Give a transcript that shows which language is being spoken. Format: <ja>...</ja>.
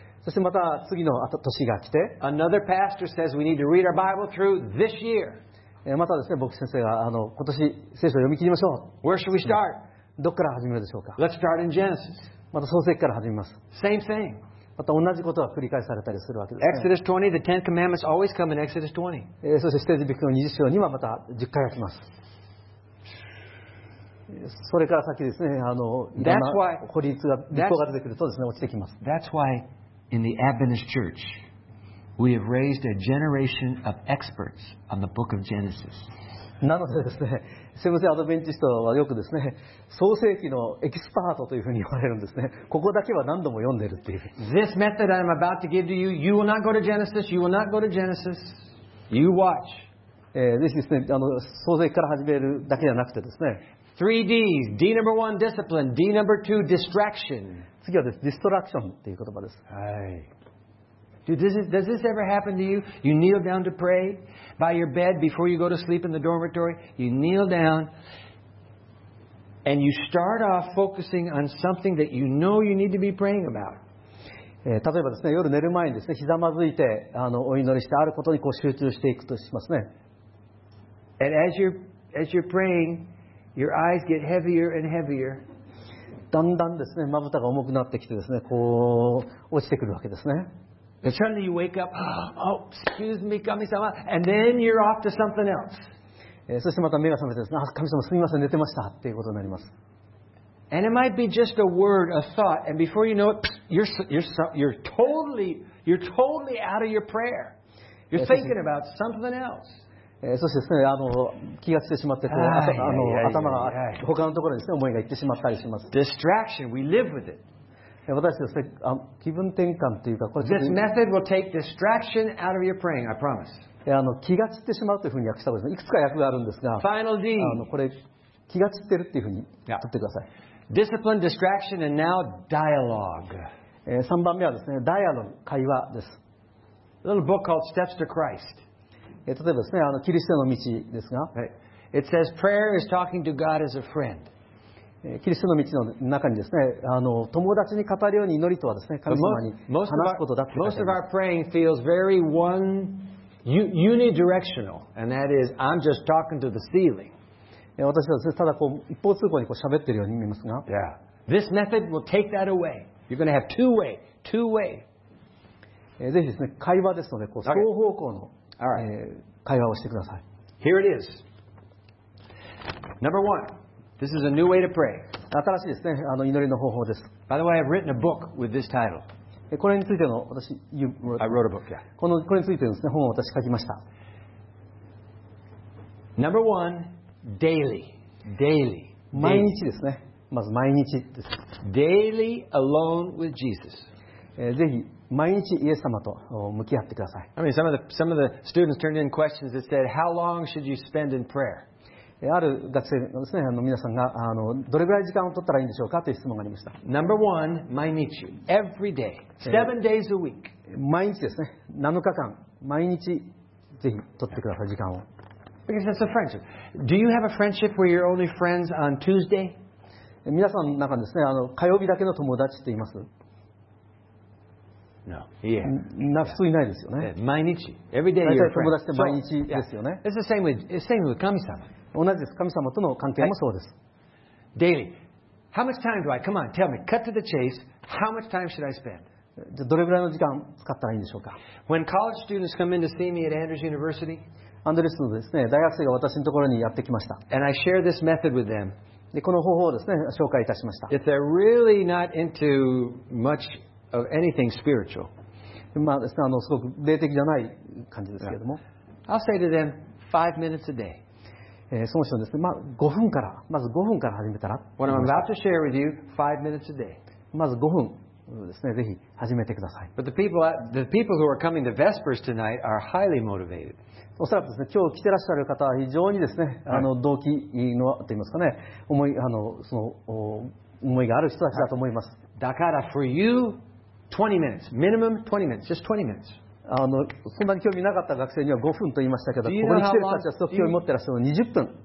<ja>そしてまた次の年が来て。</ja> <en>Another pastor says we need to read our Bible through this year.</en> <ja>またですね、牧師先生が今年聖書を読み切りましょう。</ja> <en>Where should we start?</en> <ja>どこから始めるでしょうか。</ja> <en>Let's start in Genesis.</en> <ja>また創世記から始めます。</ja> <en>Same thing.</en> <ja>また同じことが繰り返されたりするわけですね。</ja> <en>Exodus 20, the Ten Commandments always come in Exodus 20.</en> <ja>そして出エジプトの20章にはまた10回が来ます。それから先ですね、いろんな法律が立法が出てくるとですね、落ちてきます。</ja> <en>That's why in the Adventist Church we have raised a generation of experts on the Book of Genesis.</en> <ja>なのでですね、セブンセアドベンチストはよくですね、創世記のエキスパートというふうに言われるんですね。ここだけは何度も読んでるっていう。</ja> <en>This method I'm about to give to you, you will not go to Genesis. You will not go to Genesis. You watch. This is</en> <ja>ね、創世記から始めるだけじゃなくてですね。</ja> <en>3 D's. D number one, discipline. D number two, distraction.</en> <ja>次はです。Distraction っていう言葉です。はい。</ja> <en>Does this ever happen to you? You kneel down to pray by your bed before you go to sleep in the dormitory. You kneel down and you start off focusing on something that you know you need to be praying about.</en> <ja>例えばですね、夜寝る前にですね、ひざまずいてお祈りしてあることにこう集中していくとしますね。</ja> <en>And as you're praying, your eyes get heavier and heavier.</en> <ja>だんだんですね、まぶたが重くなってきてですね、こう落ちてくるわけですね。</ja> <en>And suddenly you wake up, oh, excuse me, 神様、and then you're off to something else.</en> <ja>そしてまた目が覚めてですね、あ、神様すみません、寝てましたっていうことになります。</ja> <en>And it might be just a word, a thought, and before you know it, you're totally out of your prayer. You're thinking about something else.</en> <ja>そしてですね、気がついてしまって、こう、頭が他のところにですね、思いが行ってしまったりします。</ja> <en>Distraction, we live with it.</en> <ja>私ですね、気分転換というか、これ、</ja> <en>This method will take distraction out of your praying, I promise.</en> <ja>気がついてしまうというふうに訳した方がいいですね。いくつか訳があるんですが、</ja> <en>Final D.</en> <ja>これ、気がついてるっていうふうに取ってください。</ja> <en>Yeah. Discipline, distraction, and now dialogue.</en> <ja>3番目はですね、ダイアログ、会話です。</ja> <en>A little book called Steps to Christ.</en> <ja>例えばですね、キリストの道ですが。</ja> <en>It says prayer is talking to God as a friend.</en> <ja>キリストの道の中にですね、友達に語るように祈りとはですね、神様に話すことだって。</ja> <en>Most of our praying feels very one unidirectional, and that is, I'm just talking to the ceiling.</en> <ja>私はですね、ただこう一方通行にこう喋っているように見えますが。</ja> <en>Yeah. This method will take that away. You're going to have two way.</en> <ja>ぜひですね、会話ですので、こう双方向の、</ja> <en>okay.</en> <ja>会話をしてください。</ja> <en>Here it is. Number one. This is a new way to pray.</en> <ja>新しいですね、祈りの方法です。</ja> <en>By the way, I've written a book with this title.</en> <ja>これについての私、</ja> <en>I wrote a book, yeah.</en> <ja>これについてのですね、本を私書きました。</ja> <en>Number one. Daily.</en> <ja>毎日ですね。まず毎日です。</ja> <en>Daily alone with Jesus.</en> <ja>ぜひ毎日イエス様と向き合ってください。</ja> <en>I mean, some of the students turned in questions that said, how long should you spend in prayer?</en> <ja>ある学生のですね、皆さんがどれぐらい時間を取ったらいいんでしょうかという質問がありました。</ja> <en>Number one,</en> <ja>毎日。</ja> <en>Every day. Seven days a week.</en> <ja>毎日ですね。7日間。毎日ぜひ取ってください、時間を。</ja> <en>Because that's a friendship. Do you have a friendship where you're only friends on Tuesday?</en> <ja>皆さんの中ですね、火曜日だけの友達っています。</ja> <en>No. Yeah.</en> <ja>普通いないですよね。毎日。</ja> <en>Every day you're friends.</en> <ja>友達って毎日ですよね。</ja> <en>It's the same with神様。</en> <ja>同じです。神様との関係もそうです。</ja> <en>Daily. How much time do I? Come on, tell me. Cut to the chase. How much time should I spend?</en> <ja>どれぐらいの時間使ったらいいんでしょうか。</ja> <en>When college students come in to see me at Andrews University,</en> <ja>アンドレスのですね、大学生が私のところにやってきました。</ja> <en>And I share this method with them.</en> <ja>で、この方法をですね、紹介いたしました。</ja> <en>If they're really not into much of anything spiritual,</en> <ja>まあですね、すごく霊的じゃない感じですけれども、</ja> <en>yeah. I'll say to them 5 minutes a day.</en> <ja>その人ですね、まあ5分から、まず5分から始めたら。</ja> <en>What I'm about to share with you 5 minutes a day.</en> <ja>まず5分。ですね、ぜひ始めてください。</ja> <en>But the people who are coming to Vespers tonight are highly motivated.</en> <ja>おそらくですね、今日来てらっしゃる方は非常にですね、動機のと言いますかね、思い、その思いがある人たちだと思います。だから</ja> <en>for you, 20 minutes, minimum 20 minutes, just 20 minutes.</en> <ja>そんなに興味なかった学生には5分と言いましたけど、ここに来てる人たちはすごく興味持ってらっしゃるので20分</ja>